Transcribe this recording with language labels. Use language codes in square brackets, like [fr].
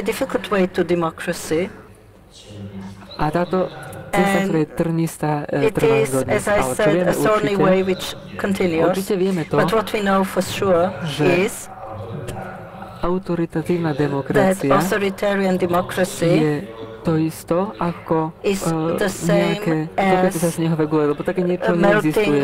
[en] It was a very difficult way to democracy. [sk] A táto cesta, ktorá je trnistá, trvá do dnes. [en] It is, as I said, a thorny way which continues. [sk] Určite vieme to, [en] but what we know for sure is [sk] autoritatívna demokracia, [en] that authoritarian democracy [sk] je to isto ako nejaké topiace sa snehové gule, lebo také niečo neexistuje.